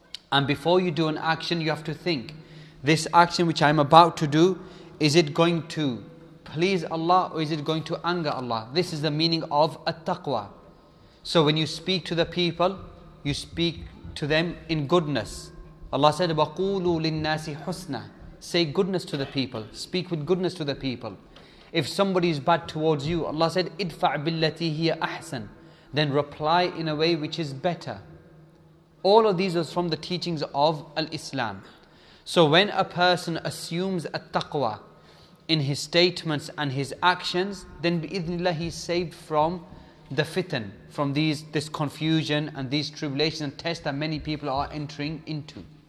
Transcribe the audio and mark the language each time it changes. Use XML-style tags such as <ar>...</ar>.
<en>And before you do an action, you have to think, this action which I'm about to do, is it going to please Allah or is it going to anger Allah? This is the meaning of at-taqwa. So when you speak to the people, you speak to them in goodness. Allah said,</en> <ar>وَقُولُوا لِلنَّاسِ حُسْنًا.</ar> <en>Say goodness to the people. Speak with goodness to the people. If somebody is bad towards you, Allah said,</en> <ar>اِدْفَعْ بِالَّتِي هِيَ أَحْسَنًا.</ar> <en>Then reply in a way which is better. All of these are from the teachings of Al-Islam. So when a person assumes at-taqwa in his statements and his actions, then bi-idhnillah he's saved from the fitan, from this confusion and these tribulations and tests that many people are entering into.</en>